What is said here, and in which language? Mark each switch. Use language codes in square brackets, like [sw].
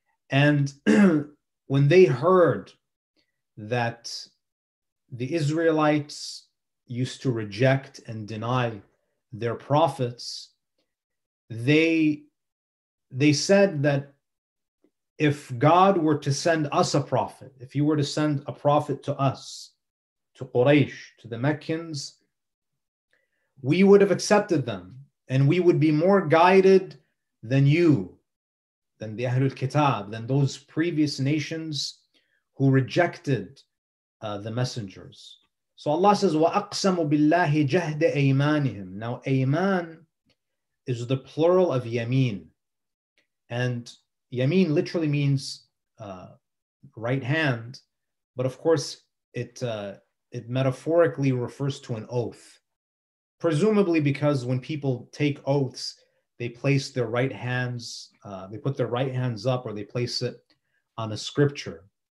[en] And when they heard that the Israelites used to reject and deny their prophets, they said that if God were to send us a prophet, if you were to send a prophet to us, to Quraysh, to the Meccans, we would have accepted them and we would be more guided than you, than the Ahlul Kitab, than those previous nations who rejected the messengers. So Allah says, [ar] وَأَقْسَمُ بِاللَّهِ جَهْدَ أَيْمَانِهِمْ. [en] Now, ayman is the plural of yameen. And yameen literally means right hand, but of course it metaphorically refers to an oath. Presumably because when people take oaths, they place their right hands, they put their right hands up or they place it on a scripture.